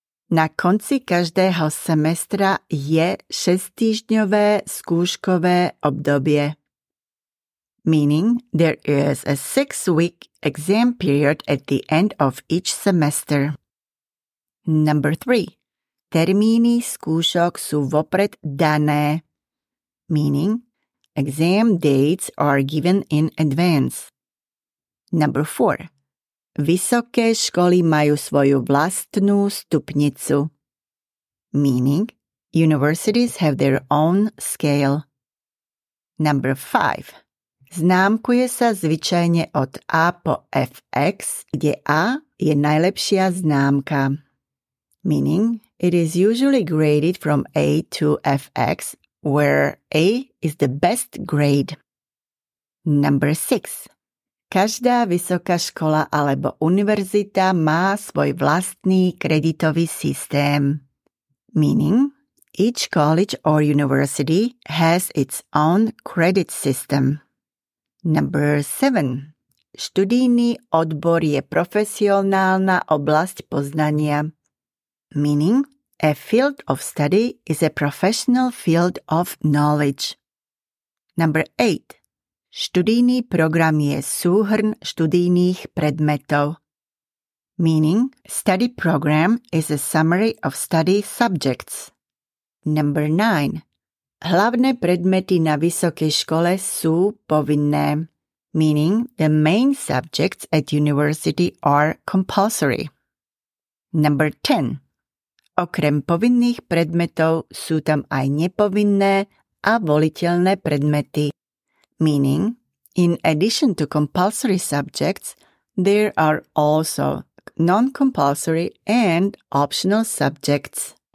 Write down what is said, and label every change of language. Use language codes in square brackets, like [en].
[sk] Na konci každého semestra je 6-týždňové skúškové obdobie. [en] Meaning, there is a 6-week exam period at the end of each semester. Number 3. [sk] Termíny skúšok sú vopred dané. Meaning, [en] Exam dates are given in advance. Number 4. [sk] Visoke školy maju svoju vlastnu stupnicu. [en] Meaning, universities have their own scale. Number 5. [sk] Známkuje sa zvyčajne od A po FX, kde A je najlepšia známka. [en] Meaning, it is usually graded from A to FX, where A is the best grade. Number 6. [sk] Každá vysoká škola alebo univerzita má svoj vlastný kreditový systém. [en] Meaning, each college or university has its own credit system. Number 7. [sk] Študijný odbor je profesionálna oblasť poznania. [en] Meaning, a field of study is a professional field of knowledge. Number 8. [sk] Študijný program je súhrn študijných predmetov. [en] Meaning, study program is a summary of study subjects. Number 9. [sk] Hlavné predmety na vysokej škole sú povinné. [en] Meaning, the main subjects at university are compulsory. Number 10. [sk] Okrem povinných predmetov sú tam aj nepovinné a voliteľné predmety. [en] Meaning, in addition to compulsory subjects, there are also non-compulsory and optional subjects.